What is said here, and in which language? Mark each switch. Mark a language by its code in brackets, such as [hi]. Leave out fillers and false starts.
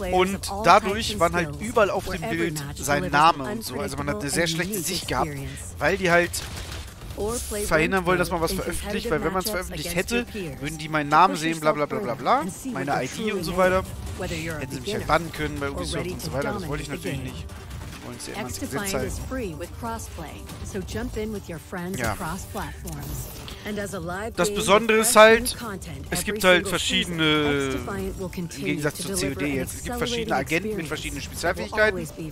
[de] Und dadurch waren halt überall auf dem Bild sein Name und so. Also man hat eine sehr schlechte Sicht gehabt, weil die halt verhindern wollen, dass man was veröffentlicht. Weil wenn man es veröffentlicht hätte, würden die meinen Namen sehen, bla bla bla bla bla, meine ID und so weiter. Hätten sie mich halt bannen können bei Ubisoft und so weiter. Das wollte ich natürlich nicht. [en] XDefiant is free with crossplay, so jump in with your friends across platforms. [de] Das Besondere ist halt, es gibt halt verschiedene, im Gegensatz zu COD jetzt, es gibt verschiedene Agenten mit verschiedenen Spezialfähigkeiten.